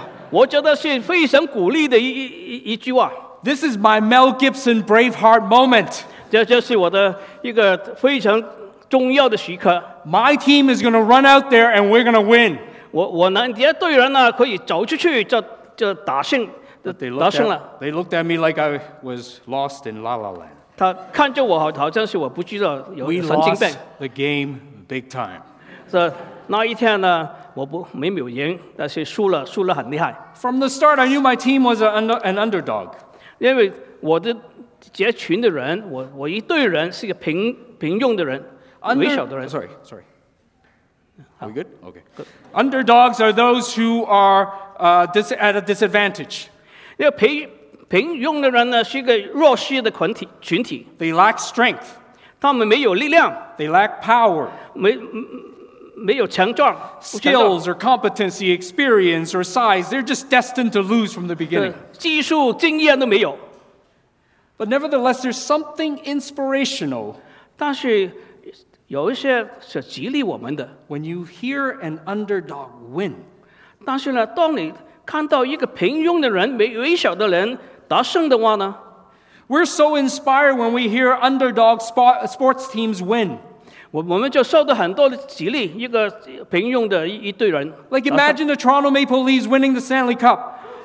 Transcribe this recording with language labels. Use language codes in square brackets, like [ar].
[zh] 我觉得是非常鼓励的一句话。 [en] This is my Mel Gibson Braveheart moment. [zh] 这是我的一个非常重要的时刻。 [en] My team is going to run out there and we're going to win. [zh] 我那些队人呢，可以走出去就打胜了。 [en] They looked at me like I was lost in La La Land. [zh] 他看着我好像是我不知道有神经病。 [en] We lost the game big time. [zh] 那一天呢，我没有赢，但是输了很厉害。 [en] From the start, I knew my team was an underdog. [zh] 因为我的 结群的人，我一队人是个平庸的人，微小的人。 [en] Sorry. We good? Okay. Good. Underdogs are those who are at a disadvantage. [zh] 平庸的人呢, [en] they lack strength. [zh] 他们没有力量, [en] they lack power. [zh] 没有强壮, [en] skills or competency, experience or size, they're just destined to lose from the beginning. [zh] 技术经验都没有, [en] but nevertheless, there's something inspirational. [zh] 但是有一些是激励我们的, [en] when you hear an underdog win, [zh] 但是呢, 当你看到一个平庸的人, 打胜的话呢? [en] We're so inspired when we hear underdog sports teams win. [zh] 我们就受到很多的激励,一个平庸的一队人, [en] like imagine the Toronto Maple Leafs winning the Stanley Cup.